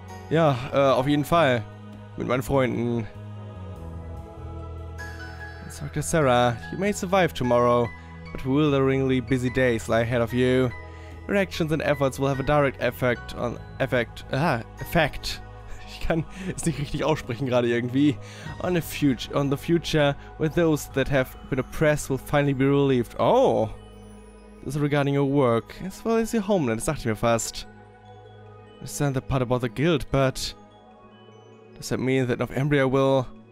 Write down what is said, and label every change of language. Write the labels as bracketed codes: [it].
[de] Ja, auf jeden Fall. Mit meinen Freunden. [en] Dr. Sarah, you may survive tomorrow, but witheringly busy days lie ahead of you. Your actions and efforts will have a direct effect on... effect. [de] Ich kann es nicht richtig aussprechen gerade irgendwie. [en] On the future, where those that have been oppressed will finally be relieved. Oh! This is regarding your work, as well as your homeland, [de] das sagte ich mir fast. [en] I understand the part about the guild, but... Does that mean that Northumbria will...